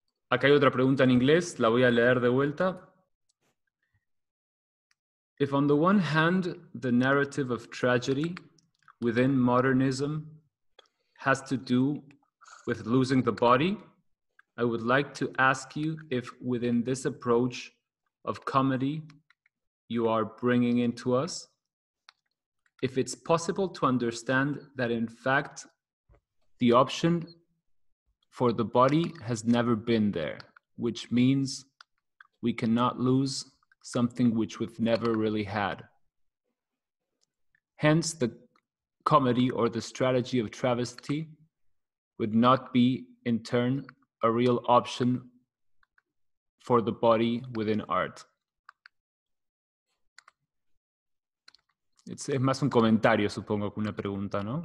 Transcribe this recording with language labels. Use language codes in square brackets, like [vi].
[es] Acá hay otra pregunta en inglés, la voy a leer de vuelta. [en] If on the one hand the narrative of tragedy within modernism has to do with losing the body, I would like to ask you if within this approach of comedy you are bringing into us, if it's possible to understand that in fact the option for the body has never been there, which means we cannot lose something which we've never really had. Hence, the comedy or the strategy of travesty would not be, in turn, a real option for the body within art. [es] Es más un comentario, supongo, que una pregunta, ¿no?